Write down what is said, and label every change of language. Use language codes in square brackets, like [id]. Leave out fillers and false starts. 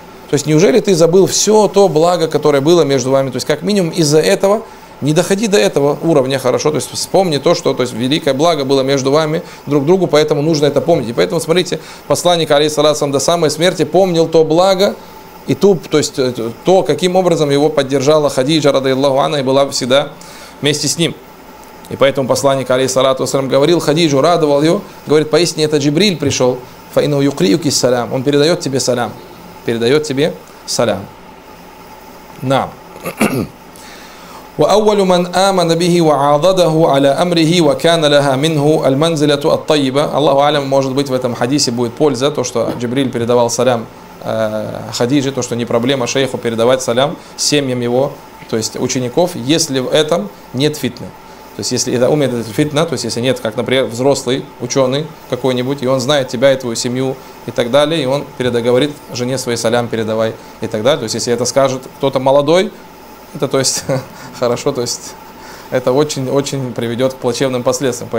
[ru] То есть неужели ты забыл все то благо, которое было между вами, то есть как минимум из-за этого, не доходи до этого уровня, хорошо, то есть вспомни то, что то есть великое благо было между вами друг другу, поэтому нужно это помнить. И поэтому, смотрите, посланник, алейхиссалям, до самой смерти помнил то благо и ту, то, есть, то, каким образом его поддержала Хадиджа, радиаллаху анха, и была всегда вместе с ним. И поэтому посланник, алейхиссалям, говорил Хадиджу, радовал ее, говорит, поистине это Джибриль пришел, фаинну юкриюки салям, он передает тебе салям, передает тебе салям. На. [ar] وأول من آمن به وعاضده على أمره وكان لها منه المنزلة الطيبة. [ru] Аллаху алям, может быть, в этом хадисе будет польза, то, что Джибриль передавал салям Хадиджи, то, что не проблема шейху передавать салям семьям его, то есть учеников, если в этом нет фитны. То есть, если это умеет это фитна, то есть, если нет, как, например, взрослый ученый какой-нибудь, и он знает тебя и твою семью и так далее, и он передоговорит жене своей салям передавай и так далее. То есть, если это скажет кто-то молодой, это, то есть, хорошо, то есть, это очень-очень приведет к плачевным последствиям.